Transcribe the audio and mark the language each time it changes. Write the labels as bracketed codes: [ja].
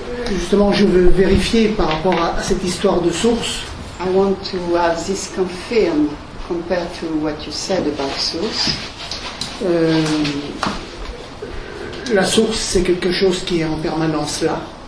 [fr] Justement, je veux vérifier par rapport à cette histoire de source. [en] I want to have this confirmed compared to what you said about source. [fr] La source, c'est quelque chose qui est en permanence là.